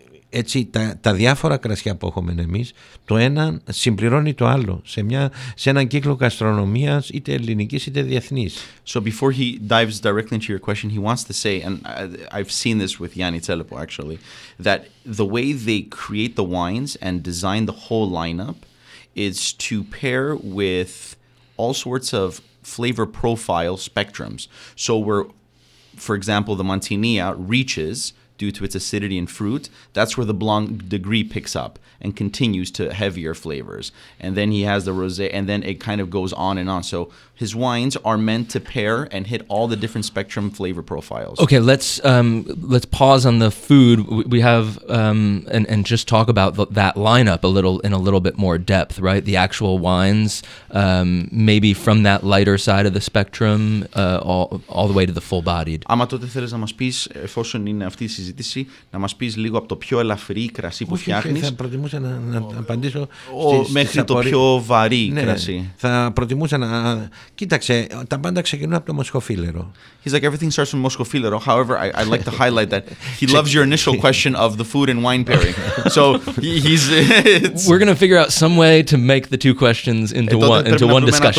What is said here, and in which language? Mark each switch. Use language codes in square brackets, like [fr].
[el] Έτσι, τα διάφορα κρασιά που έχουμε εμείς, το ένα συμπληρώνει το άλλο σε έναν κύκλο γαστρονομίας, είτε ελληνικής είτε διεθνής. [en] So before he dives directly into your question, he wants to say, and I've seen this with Yanni Tselepo actually, that the way they create the wines and design the whole lineup is to pair with all sorts of flavor profile spectrums. So where, for example, the Mantinia reaches due to its acidity and fruit, that's where the Blanc de Gris picks up and continues to heavier flavors. And then he has the Rosé, and then it kind of goes on and on. So his wines are meant to pair and hit all the different spectrum flavor profiles. Okay, let's pause on the food. We have and just talk about that lineup a little bit more depth, right? The actual wines, maybe from that lighter side of the spectrum, all the way to the full bodied. [el] Άμα τότε θέλεις να μας πεις, εφόσον είναι αυτή η συζήτηση, να μας πεις λίγο από το πιο ελαφρύ κρασί που φτιάχνεις. Θα προτιμούσα να απαντήσω μέχρι το πιο βαρύ κρασί. Θα προτιμούσα να. Κοίταξε, τα πάντα ξεκινούν από το μοσχοφύλερο. [en] He's like, everything starts from μοσχοφύλερο. However, I'd like to highlight that he loves your initial question of the food and wine pairing. So he's. We're going to figure out some way to make the two questions into one discussion.